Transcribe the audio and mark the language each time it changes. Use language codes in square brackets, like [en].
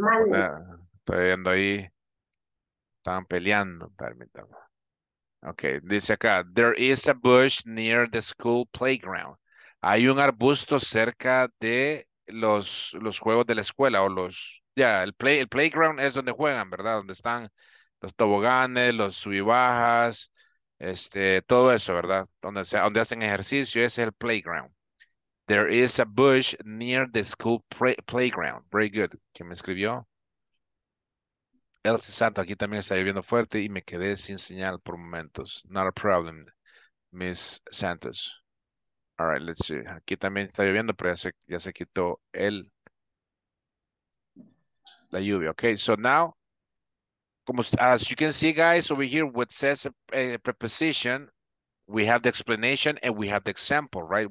[es] Estoy viendo ahí. Están peleando, permítame. [en] Okay, [es] dice acá, [en] there is a bush near the school playground. [es] Hay un arbusto cerca de los juegos de la escuela o los, ya, yeah, el playground es donde juegan, ¿verdad? Donde están los toboganes, los subibajas, todo eso, ¿verdad? Donde hacen ejercicio, ese es el playground. [en] There is a bush near the school playground. Very good. [es] ¿Quién me escribió? Elsa Santo, aquí también está lloviendo fuerte y me quedé sin señal por momentos. [en] Not a problem, Miss Santos. All right, let's see. [es] Aquí también está lloviendo, pero ya se quitó la lluvia. [en] Okay, so now, as you can see, guys, over here, what says a preposition, we have the explanation and we have the example, right?